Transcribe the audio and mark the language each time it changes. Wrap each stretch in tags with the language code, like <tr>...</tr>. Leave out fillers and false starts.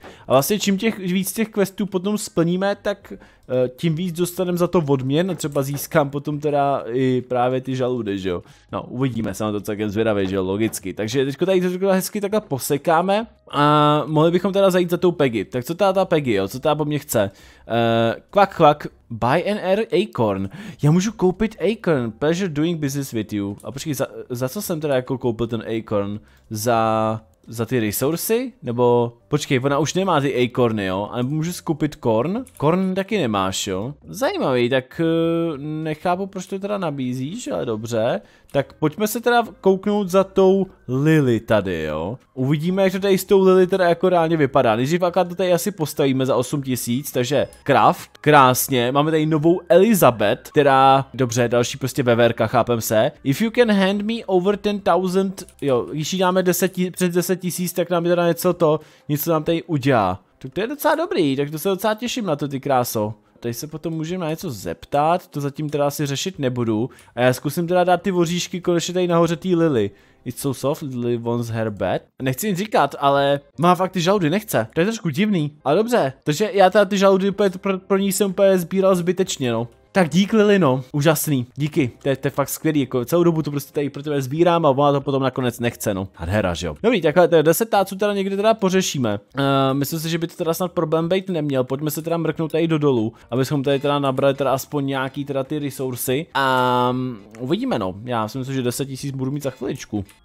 <cs>A vlastně čím víc těch questů potom splníme, tak tím víc dostaneme za to odměn a třeba získám potom teda i právě ty žaludy, že jo. No, uvidíme, jsem na to celkem zvědavý, že jo, logicky. Takže teďko tady to hezky takhle posekáme a mohli bychom teda zajít za tou Peggy. Tak co ta Peggy, jo, co ta po mně chce?</cs> <en>Kvak, kvak, buy an air acorn.</en> <cs>Já můžu koupit</cs> <en>acorn, pleasure doing business with you.</en> <cs>A počkej, za co jsem teda jako koupil ten acorn? Za ty resursy? Nebo... Počkej, ona už nemá ty acorny, jo? A nebo můžu skupit korn? Korn taky nemáš, jo? Zajímavý, tak nechápu, proč to teda nabízíš, ale dobře. Tak pojďme se teda kouknout za tou Lily tady, jo? Uvidíme, jak to tady s tou Lily teda jako reálně vypadá. Nejdřív akorát to tady asi postavíme za 8 tisíc, takže craft, krásně. Máme tady novou Elizabeth, která... Dobře, další prostě veverka, chápem se.</cs> <en>If you can hand me over 10,000...</en> <cs>Jo, když jí dáme 10 tisíc, tak nám teda něco to... Něco nám tady udělá. To je docela dobrý, tak to se docela těším na to, ty kráso. Tady se potom můžeme na něco zeptat, to zatím teda asi řešit nebudu. A já zkusím teda dát ty voříšky konečně tady nahoře tý Lily.</cs> <en>It's so soft, Lily wants her bed.</en> <cs>Nechci nic říkat, ale má fakt ty žaludy, nechce. To je trošku divný, ale dobře. Takže já teda ty žaludy pro ní jsem úplně sbíral zbytečně, no. Tak dík Lily, no, úžasný, díky, to je fakt skvělý, jako celou dobu to prostě tady pro tebe sbírám a ona to potom nakonec nechce, no, hadhera, že jo. Dobrý, takhle 10 táců teda někde teda pořešíme, myslím si, že by to teda snad problém být neměl, pojďme se teda mrknout tady do dolů, abychom tady teda nabrali teda aspoň nějaký teda ty resursy a uvidíme, no, já si myslím, že 10 tisíc budu mít za chviličku.</cs>